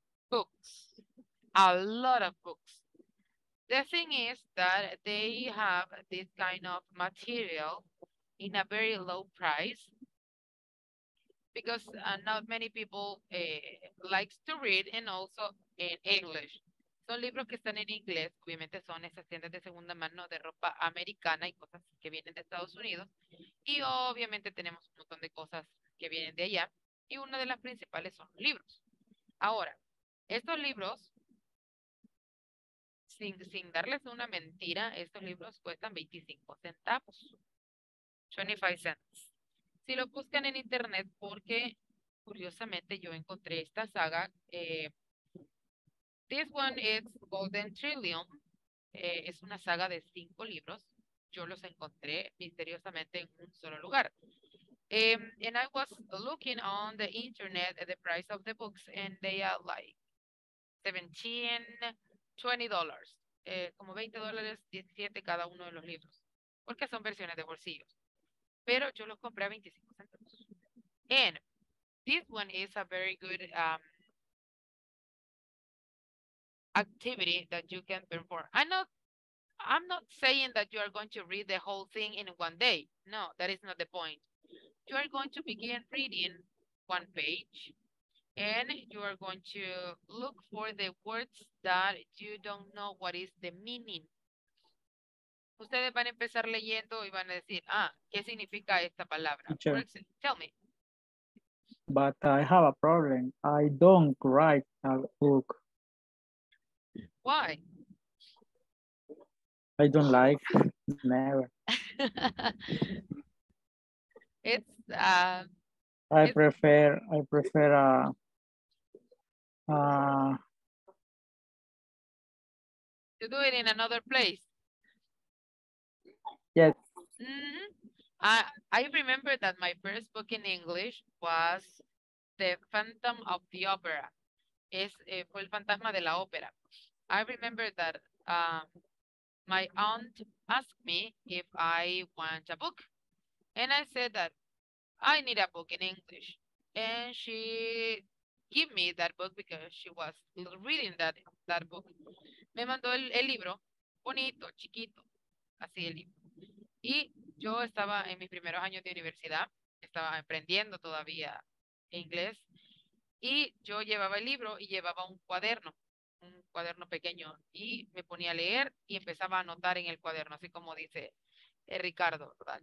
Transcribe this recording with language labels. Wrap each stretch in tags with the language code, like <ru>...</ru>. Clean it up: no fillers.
<en>Books, a lot of books. The thing is that they have this kind of material in a very low price because not many people likes to read and also in English.</en> <es>Son libros que están en inglés, obviamente son esas tiendas de segunda mano de ropa americana y cosas que vienen de Estados Unidos. Y obviamente tenemos un montón de cosas que vienen de allá. Y una de las principales son libros. Ahora, estos libros, sin darles una mentira, estos libros cuestan 25 centavos. 25 cents. Si lo buscan en internet, porque curiosamente yo encontré esta saga,</es> <en>this one is Golden Trillium.</en> <es>Es una saga de 5 libros. Yo los encontré misteriosamente en un solo lugar.</es> <en>And I was looking on the internet at the price of the books, and they are like $20.</en> <es>Como $20, 17 cada uno de los libros. Porque son versiones de bolsillos. Pero yo los compré a 25 centavos.</es> <en>And this one is a very good activity that you can perform. I'm not saying that you are going to read the whole thing in one day. No, that is not the point. You are going to begin reading one page and you are going to look for the words that you don't know what is the meaning.</en> <es>Ustedes van a empezar leyendo y van a decir, ah, ¿qué significa esta palabra?</es> <en>Teacher, tell me. But I have a problem. I don't write a book. Why? I don't like never. It's I prefer to do it in another place. Yes. Mm-hmm. I remember that my first book in English was The Phantom of the Opera.</en> <es>Fue el fantasma de la ópera.</es> <en>I remember that my aunt asked me if I want a book. And I said that I need a book in English. And she gave me that book because she was reading that book.</en> <es>Me mandó el libro, bonito, chiquito, así el libro. Y yo estaba en mis primeros años de universidad, estaba aprendiendo todavía inglés. Y yo llevaba el libro y llevaba un cuaderno pequeño, y me ponía a leer y empezaba a anotar en el cuaderno, así como dice Ricardo, ¿verdad?</es>